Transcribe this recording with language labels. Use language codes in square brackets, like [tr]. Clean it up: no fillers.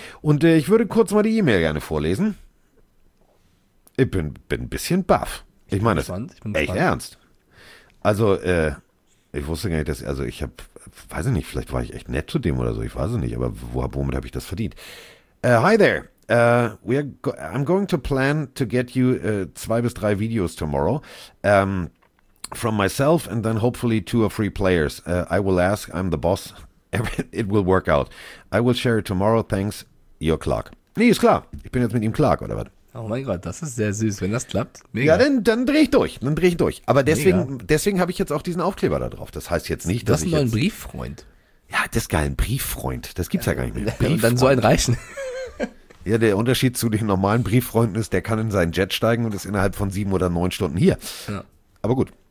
[de] Und ich würde kurz mal die E-Mail gerne vorlesen. Ich bin ein bisschen baff. Ich meine das echt ernst. Also, ich wusste gar nicht, dass, also ich habe, weiß ich nicht, vielleicht war ich echt nett zu dem oder so, ich weiß es nicht, aber womit habe ich das verdient? [en] Hi there, I'm going to plan to get you 2 [de] bis [en] 3 videos tomorrow from myself and then hopefully 2 or 3 players. I will ask, I'm the boss, it will work out. I will share it tomorrow, thanks, your Clark. [de] Nee, ist klar, ich bin jetzt mit ihm Clark oder was? Oh mein Gott, das ist sehr süß, wenn das klappt. Mega. Ja, dann dreh ich durch. Aber deswegen habe ich jetzt auch diesen Aufkleber da drauf. Das heißt jetzt nicht, dass ich jetzt... Das ist nur ein Brieffreund. Ja, das ist geil, ein Brieffreund. Das gibt's ja gar nicht mehr. Und dann so ein reichen. Ja, der Unterschied zu den normalen Brieffreunden ist, der kann in seinen Jet steigen und ist innerhalb von 7 oder 9 Stunden hier. Ja. Aber gut.